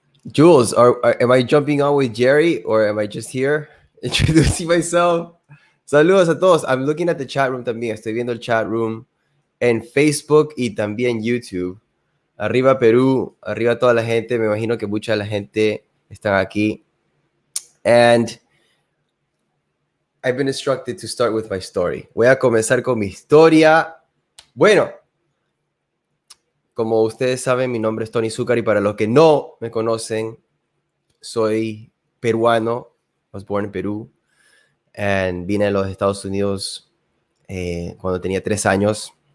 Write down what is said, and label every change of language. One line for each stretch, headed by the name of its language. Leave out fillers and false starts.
English: Jules, am I jumping on with Jerry or am I just here introducing myself?
Spanish: Saludos a todos.
English: I'm looking at the chat room
Spanish: también. Estoy viendo el chat room en Facebook y también YouTube. Arriba Perú, arriba toda la gente. Me imagino que mucha de la gente está aquí.
English: And I've been instructed to start with my story.
Spanish: Voy a comenzar con mi historia. Bueno, como ustedes saben, mi nombre es Tony Zúcar y para los que no me conocen, soy peruano.
English: I was born in Perú.
Spanish: And vine a los Estados Unidos cuando tenía 3 años.